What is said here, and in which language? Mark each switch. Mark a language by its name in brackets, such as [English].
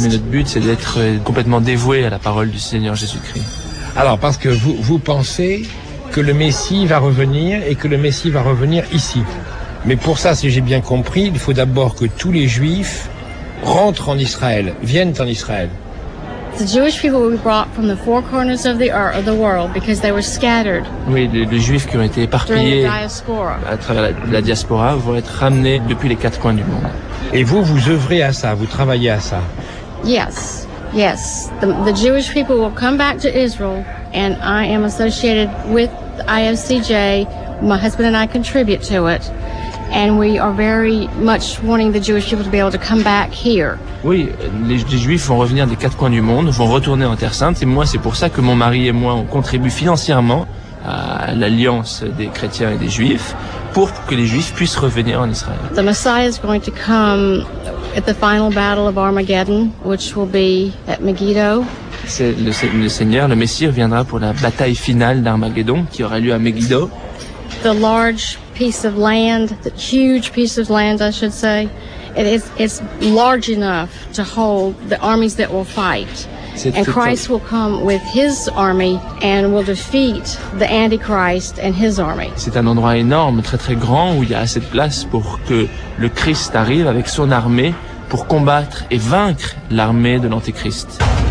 [French] Mais notre but, c'est d'être complètement dévoué à la parole du Seigneur Jésus-Christ. Alors, parce que vous pensez que le Messie va revenir, et que le Messie va revenir ici. Mais pour ça, si j'ai bien compris, il faut d'abord que tous les Juifs rentrent en Israël, viennent en Israël. [English] The Jewish people were brought from the four corners of the earth, of the world, because they were scattered. [French] Oui, les Juifs qui ont été éparpillés à travers la diaspora vont être ramenés depuis les quatre coins du monde. Et vous œuvrez à ça, vous travaillez à ça. [English] Yes. The Jewish people will come back to Israel, and I am associated with IFCJ. My husband and I contribute to it, and we are very much wanting the Jewish people to be able to come back here. [French] Oui, les Juifs vont revenir des quatre coins du monde, vont retourner en Terre Sainte, et moi, c'est pour ça que mon mari et moi, on contribue financièrement à l'alliance des chrétiens et des Juifs, pour que les Juifs puissent revenir en Israël. [English] The Messiah is going to come at the final battle of Armageddon, which will be at Megiddo. [French] C'est le Seigneur, le Messie reviendra pour la bataille finale d'Armageddon qui aura lieu à Megiddo. [English] The large piece of land, the huge piece of land, I should say, it's large enough to hold the armies that will fight. And Christ will come with his army and will defeat the Antichrist and his army. [French] C'est un endroit énorme, très très grand, où il y a assez de place pour que le Christ arrive avec son armée pour combattre et vaincre l'armée de l'Antichrist.